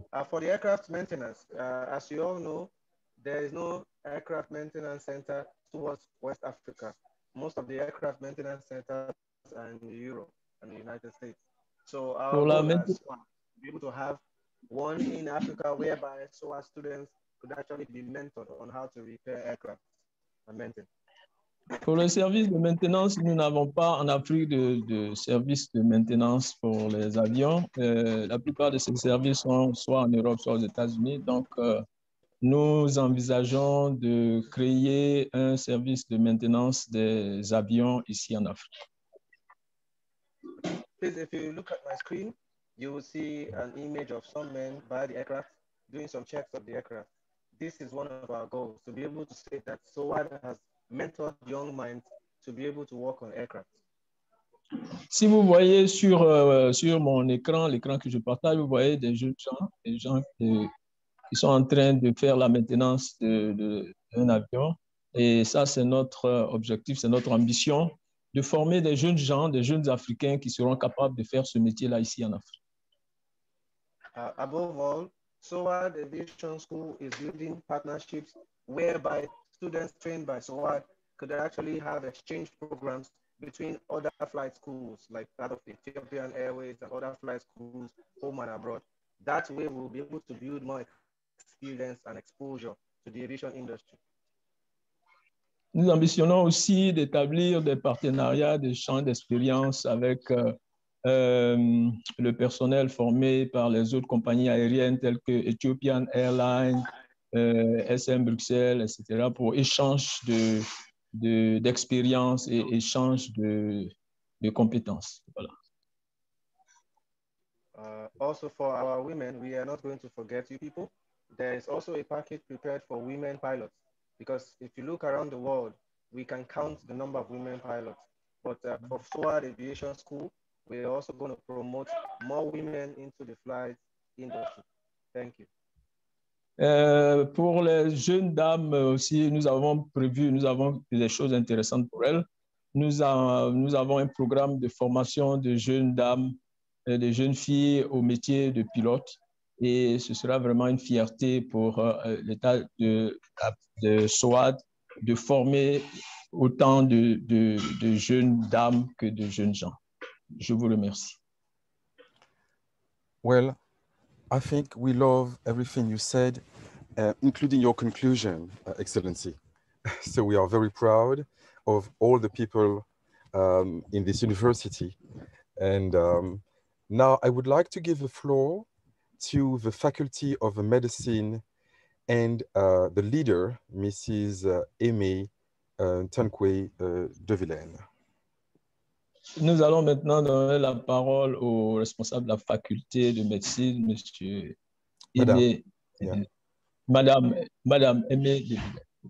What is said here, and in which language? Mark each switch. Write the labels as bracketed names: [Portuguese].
[English] For the aircraft maintenance, as you all know, there is no aircraft maintenance center towards West Africa. Most of the aircraft maintenance centers are in Europe and the United States. So our goal is to be able to have one in Africa whereby so our students could actually be mentored on how to repair aircraft and maintain. [French] Pour le service de maintenance, nous n'avons pas en Afrique de service de maintenance pour les avions. La plupart de ces services sont soit en Europe, soit aux États-Unis. Donc, nous envisageons de créer un service de maintenance des avions ici en Afrique. [English] Please, if you look at my screen, you will see an image of some men by the aircraft doing some checks of the aircraft. This is one of our goals, to be able to say that SOAD has mentor young minds to be able to work on aircraft. [French] Si vous voyez sur mon écran, l'écran que je partage, vous voyez des jeunes gens, des gens qui sont en train de faire la maintenance d'un avion. Et ça, c'est notre objectif, c'est notre ambition de former des jeunes gens, des jeunes Africains qui seront capables de faire ce métier-là ici en Afrique. [English] Above all, SOAD Aviation School is building partnerships whereby students trained by SOAD could actually have exchange programs between other flight schools, like that of Ethiopian Airways and other flight schools home and abroad. That way, we'll be able to build more experience and exposure to the aviation industry. [French] Nous ambitionnons aussi d'établir des partenariats, des champs d'expérience avec le personnel formé par les autres compagnies aériennes telles que Ethiopian Airlines, SM Bruxelles, etc., pour échange d'expérience et échange de compétences. Voilà. [English] Also for our women, we are not going to forget you people. There is also a package prepared for women pilots, because if you look around the world, we can count the number of women pilots. But for SOAD Aviation School, we are also going to promote more women into the flight industry. Thank you. [French] Pour les jeunes dames aussi, nous avons des choses intéressantes pour elles. Nous avons un programme de formation de jeunes dames et de jeunes filles au métier de pilote. et ce sera vraiment une fierté pour l'État de Swat de former autant de jeunes dames que de jeunes gens. Je vous remercie. [English] Well, I think we love everything you said, including your conclusion, Excellency. So we are very proud of all the people in this university. And now I would like to give the floor to the Faculty of Medicine and the leader, Mrs. Aimée Tanque de Villene. [French] Nous allons maintenant donner la parole au responsable de la faculté de médecine, Monsieur Aimée. [English] Yeah. [French] Madame Aimée de Villene.